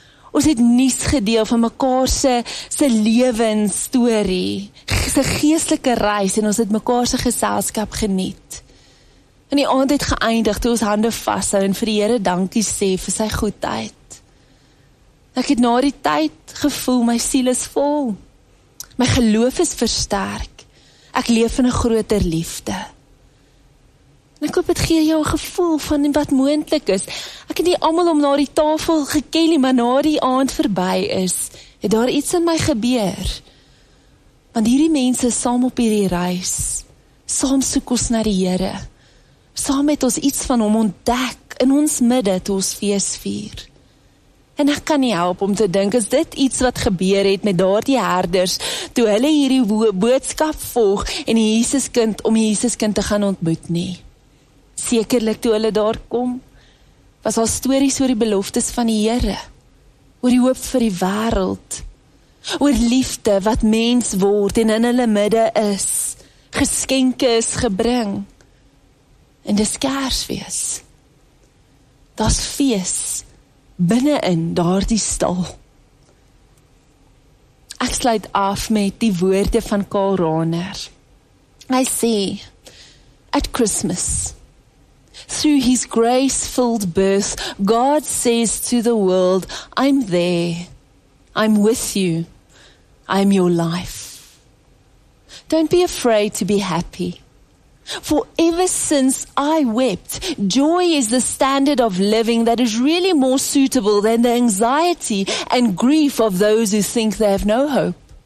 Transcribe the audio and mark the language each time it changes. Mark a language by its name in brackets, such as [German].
[Afrikaans] Ons het nuus gedeel van mekaar se lewensstorie, se geestelike reis, en ons het mekaar se geselskap geniet. En die aand het geëindig toe ons hande vashou en vir die Here dankie sê vir sy goedheid. Ek het na die tyd gevoel my siel is vol. My geloof is versterk. Ek leef in 'n groter liefde. En ek hoop dit gee jou 'n gevoel van wat moontlik is. Ek het nie almal om na die tafel geken nie, maar na die aand verby is, het daar iets in my gebeur. Want hierdie mense saam op hierdie reis, saam soek ons na die Here. Saam het ons iets van hom ontdek in ons midde toe ons fees vier. En ek kan nie help om te dink, is dit iets wat gebeur het met daardie herders toe hulle hierdie boodskap volg en Jesuskind te gaan ontmoet nie. Sekerlik toe hulle daar kom, was daar stories oor die beloftes van die Here, oor die hoop vir die wêreld, oor liefde wat mens word en in hulle midde is, geskenke is gebring. En dis Kersfees. Daar's fees binne-in daardie stal. Ek sluit af met die woorde van Karl Rahner. [English] Hy sê, "At Christmas, through his grace-filled birth, God says to the world, 'I'm there, I'm with you, I'm your life. Don't be afraid to be happy. For ever since I wept, joy is the standard of living that is really more suitable than the anxiety and grief of those who think they have no hope.